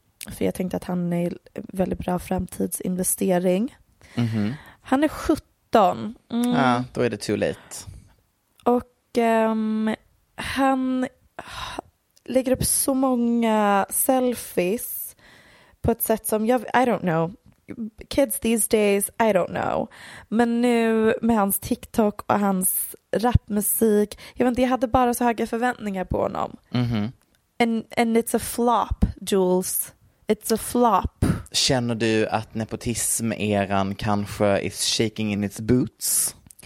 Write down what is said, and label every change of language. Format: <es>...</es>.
<sv>För jag tänkte att han är väldigt bra framtidsinvestering. Han är 17. Ja, då är det</sv> <en>too late.</en> <sv>Och han lägger upp så många selfies på ett sätt som jag,</sv> <en>I don't know. Kids these days, I don't know.</en> <sv>Men nu med hans TikTok och hans rapmusik, jag vet inte, jag hade bara så höga förväntningar på honom.</sv> <en>And it's a flop, Jules. It's a flop.</en> <sv>Känner du att nepotism-eran kanske</sv> <en>is shaking in its boots?</en>